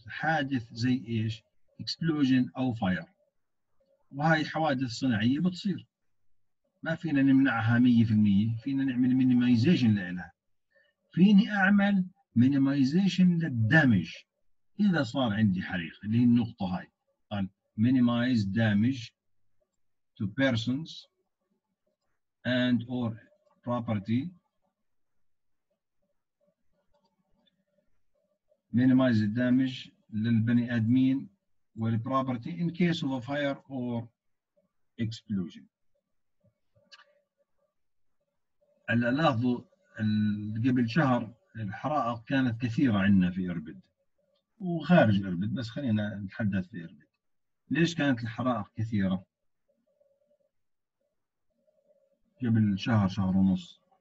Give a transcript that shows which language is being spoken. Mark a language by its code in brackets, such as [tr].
[ar] حادث زي إيش؟ explosion أو fire. وهاي حوادث صناعية بتصير، ما فينا نمنعها 100%، فينا نعمل minimization لها. فيني أعمل minimization للدامج إذا صار عندي حريق، اللي هي النقطة هاي. قال [en] minimize damage to persons and or property, minimize the damage [ar] للبني آدمين [en] والproperty in case of a fire or explosion. [ar] هلا لاحظوا قبل شهر الحرائق كانت كثيرة عندنا في إربد وخارج إربد، بس خلينا نتحدث في إربد. ليش كانت الحرائق كثيرة قبل شهر شهر ونص؟